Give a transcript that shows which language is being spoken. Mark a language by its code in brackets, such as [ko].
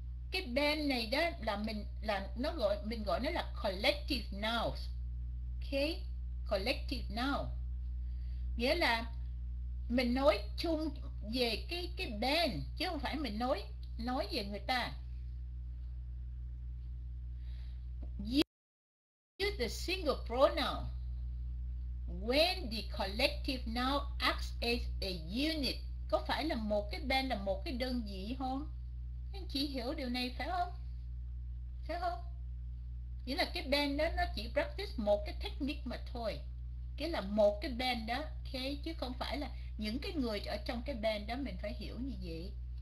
[vi] Cái band này đó là mình là nó gọi mình gọi nó là collective noun. Okay, collective noun. Nghĩa là mình nói chung về cái band chứ không phải mình nói về người ta. [en] Use the single pronoun when the collective noun acts as a unit. [vi] Có phải là một cái band là một cái đơn vị không? Anh chị hiểu điều này phải không? Phải không? Nghĩa là cái band đó nó chỉ practice một cái technique mà thôi. Cái là một cái band đó, okay? Chứ không phải là những cái người ở trong cái band đó, mình phải hiểu như vậy.